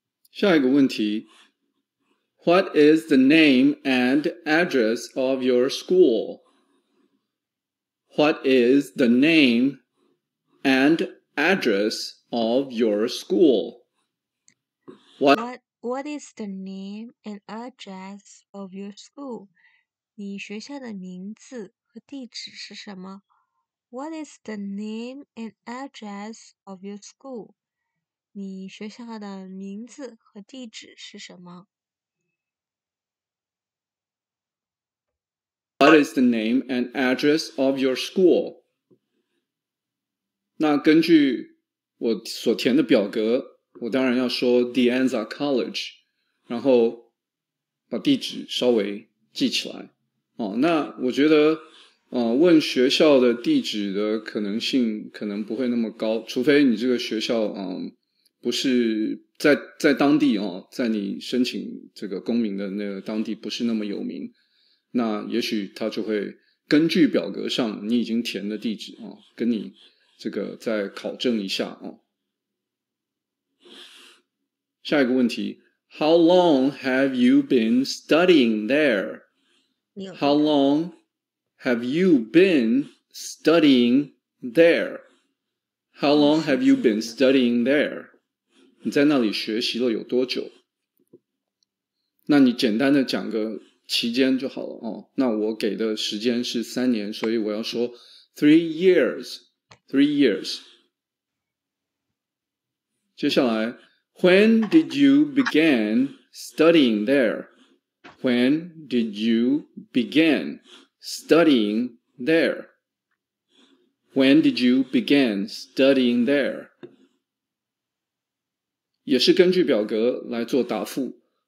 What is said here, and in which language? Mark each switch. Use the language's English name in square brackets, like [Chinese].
[Chinese] 下一个问题， [English] What is the name and address of your school? What is the name and address of your school? What is the name and address of your school? [Chinese] 你学校的名字和地址是什么？ [English] What is the name and address of your school? [Chinese] 你学校的名字和地址是什么？ [English] What is the name and address of your school? [Chinese] 那根据我所填的表格，我当然要说 De Anza College, 然后把地址稍微记起来。哦，那我觉得问学校的地址的可能性可能不会那么高，除非你这个学校不是在当地在你申请这个公民的那个当地不是那么有名。那也许他就会根据表格上你已经填的地址啊，跟你这个再考证一下啊。下一个问题 [English] ，How long have you been studying there? How long have you been studying there? How long have you been studying there? [Chinese] 你在那里学习了有多久？那你简单的讲个期间就好了，那我给的时间是三年，所以我要说 [English] three years。 [Chinese] 接下来 [English] ,when did you begin studying there?when did you begin studying there?when did you begin studying there? [Chinese] 也是根据表格来做答复。